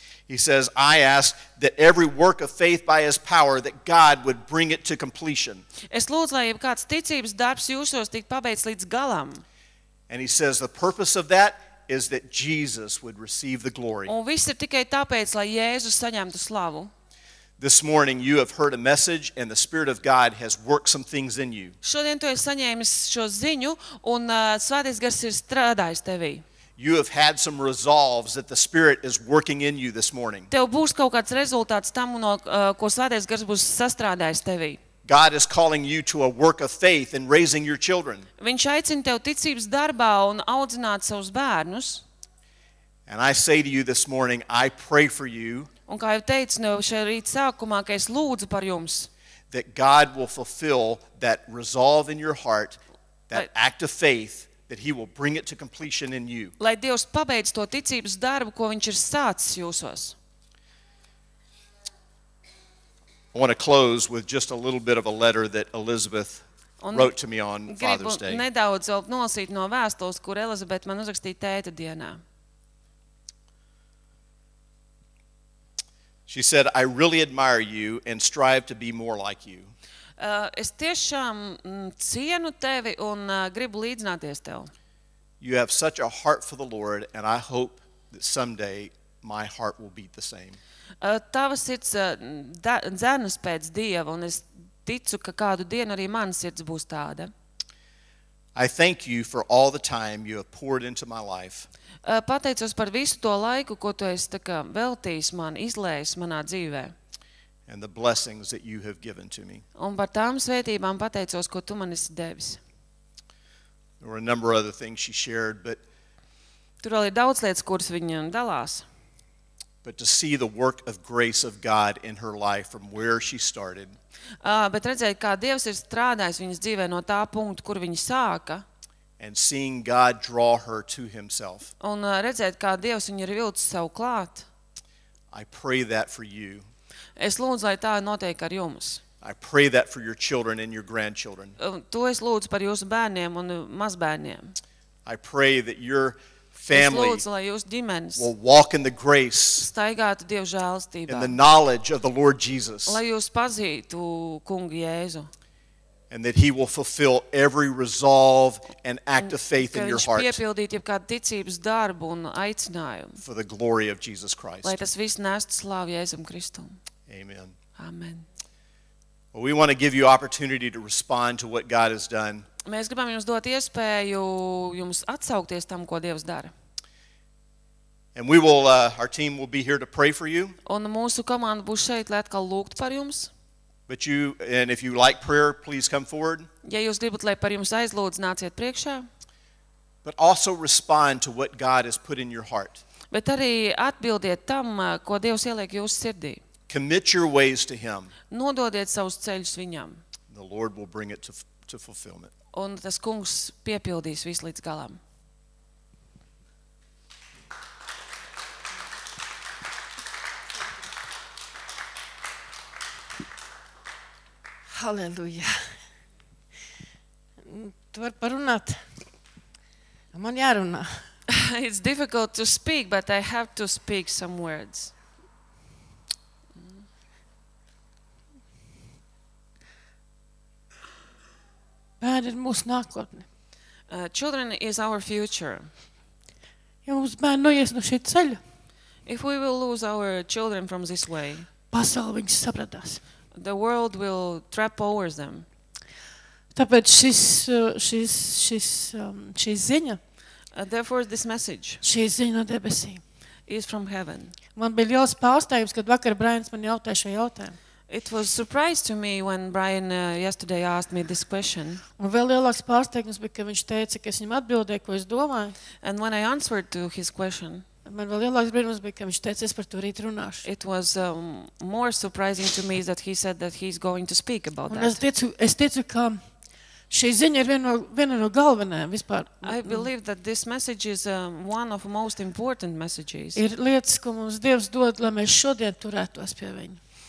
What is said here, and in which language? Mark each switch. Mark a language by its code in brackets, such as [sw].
[en] He says, I ask that every work of faith by his power, that God would bring it to completion. [lv] Es lūdzu, lai jebkāds ticības darbs jūsos tikt pabeigts līdz galam. [en] And he says the purpose of that is that Jesus would receive the glory. [lv] Un viss ir tikai tāpēc, lai Jēzus saņemtu slavu. [en] This morning you have heard a message and the Spirit of God has worked some things in you. [lv] Šodien tu esi saņēmis šo ziņu un Svētais Gars ir strādājis tevī. [en] You have had some resolves that the Spirit is working in you this morning. [lv] Tev būs kaut kāds rezultāts tam, no ko Svētais Gars būs sastrādājis tevī. [en] God is calling you to a work of faith and raising your children. [lv] Viņš aicina tev ticības darbā un audzināt savus bērnus. [en] And I say to you this morning, I pray for you. [lv] Un kā jau teicu no šī rīta sākumā, ka es lūdzu par jums. [en] That God will fulfill that resolve in your heart, that act of faith, that he will bring it to completion in you. [lv] Lai Dievs pabeidz to ticības darbu, ko viņš ir sācis jūsos. [en] I want to close with just a little bit of a letter that Elizabeth wrote to me on Father's Day. [lv] Nedaudz vēl nolasīt no vēstules, kur Elizabeth man uzrakstīja tēta dienā. [en] She said, I really admire you and strive to be more like you. [lv] Es tiešām cienu tevi un gribu līdzināties tev. [en] You have such a heart for the Lord and I hope that someday my heart will beat the same. [lv] Tava sirds dzenas pēc Dieva, un es ticu, ka kādu dienu arī mana sirds būs tāda. [en] I thank you for all the time you have poured into my life. [lv] Pateicos par visu to laiku, ko tu esi tā kā veltījis man, izlējis manā dzīvē. [en] And the blessings that you have given to me. [lv] Un par tām svētībām pateicos, ko tu man esi devis. [en] There were a number of other things she shared, but [lv] tur vēl ir daudz lietas, kuras viņam dalās. [en] but to see the work of grace of God in her life from where she started. [lv] Bet redzēt, kā Dievs ir strādājis viņas dzīvē no tā punkta, kur viņa sāka. [en] And seeing God draw her to himself. [lv] Un redzēt, kā Dievs viņu ir vilcis sev klāt. [en] I pray that for you. [lv] Es lūdzu, lai tā notiek ar jums. [en] I pray that for your children and your grandchildren. [lv] To es lūdzu par jūsu bērniem un mazbērniem. [en] I pray that your family [lv] lūdzu, lai jūsu ģimenes [en] will walk in the grace [lv] staigātu Dieva žēlstībā [en] and the knowledge of the Lord Jesus. [lv] Lai jūs pazītu Kungu Jēzu. [en] And that he will fulfill every resolve and act of faith in your heart. [lv] Lai piepildīt jebkādu ticības darbu un aicinājumu. [en] For the glory of Jesus Christ. [lv] Lai tas viss nestu slāvu Jēzum Kristum. [en] Amen. [lv] Amen. [en] Well, we want to give you opportunity to respond to what God has done. [lv] Mēs gribam jums dot iespēju jums atsaukties tam, ko Dievs dara. [en] And we will our team will be here to pray for you. [lv] Un mūsu komanda būs šeit, lai atkal lūgtu par jums. [en] But you and if you like prayer, please come forward. [lv] Ja jūs gribat, lai par jums aizlūdz, nāciet priekšā. [en] But also respond to what God has put in your heart. [lv] Bet arī atbildiet tam, ko Dievs ieliek jūsu sirdī. [en] Commit your ways to him. [lv] Nododiet savus ceļus viņam. [en] The Lord will bring it to fulfillment. [lv] Un tas Kungs piepildīs visu līdz galam. [en] Halleluja. [lv] Tu var parunāt. Man jārunā. [en] It's difficult to speak, but I have to speak some words. [lv] Bērni ir mūsu nākotne. [en] Children is our future. [lv] Ja mums bērni noies no šī ceļa, [en] if we will lose our children from this way, [lv] pasauli viņš sapratās. [en] The world will trap over them. [lv] Tāpēc šis ziņa, [en] therefore this message, [lv] šī ziņa no debesīm, [en] is from heaven. [lv] Man bija liels pārsteigums, kad vakar Brains man jautāja šo jautājumu. [en] It was a surprise to me when Brian yesterday asked me this question. [lv] Un vēl lielāks pārsteigums bija, ka viņš teica, ka es viņam atbildēju, ko es domāju. [en] And when I answered to his question, [lv] man vēl lielāks brīnums bija, ka viņš teica, es par to rīt runāšu. [en] It was more surprising to me that he said that he's going to speak about that. [lv] Un es teicu, ka šī ziņa ir viena no galvenajām vispār. [en] I believe that this message is one of most important messages. [lv] Ir lietas, ko mums Dievs dod, lai mēs šodien turētos pie viņa.